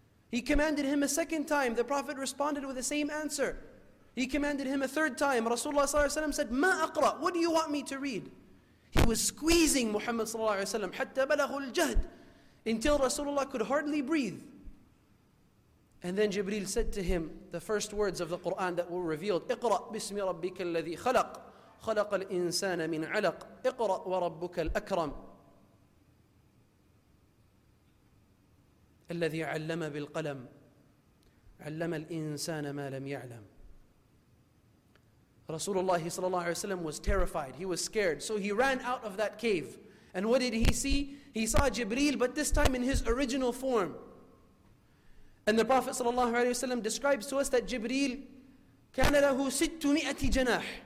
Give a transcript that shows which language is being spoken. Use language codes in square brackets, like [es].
[en] He commanded him a second time. The Prophet responded with the same answer. He commanded him a third time. Rasulullah sallallahu alaihi wasallam said, [ar] "Ma aqra, [en] what do you want me to read?" He was squeezing Muhammad sallallahu alaihi wasallam, [ar] hatta balaghul jahd, [en] until Rasulullah could hardly breathe. And then Jibreel said to him the first words of the Quran that were revealed, [ar] اقرأ بسم ربك الذي خلق خلق الإنسان من علق اقرأ وربك الأكرم الذي علم بالقلم علم الإنسان ما لم يعلم. [en] Rasulullah sallallahu alayhi wa sallam was terrified. He was scared. So he ran out of that cave. And what did he see? He saw Jibreel, but this time in his original form. And the Prophet sallallahu alayhi wa sallam describes to us that Jibreel [ar] كان له 600 جناح.